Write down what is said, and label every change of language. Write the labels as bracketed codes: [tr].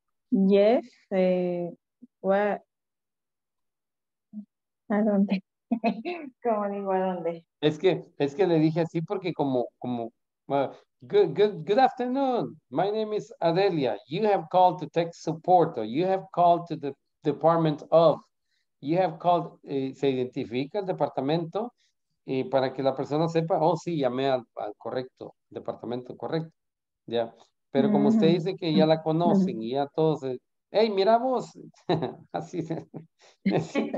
[en] Yes. [es] ¿A dónde? ¿Cómo digo a dónde? Es que le dije así porque como [en] good afternoon. My name is Adelia. You have called to tech support. Or you have called to the department of. You have called. [es] Se identifica el departamento. Y para que la persona sepa, oh, sí, llamé al correcto, departamento correcto, ¿ya? Pero como usted dice que ya la conocen y ya todos, hey, mira vos, así es.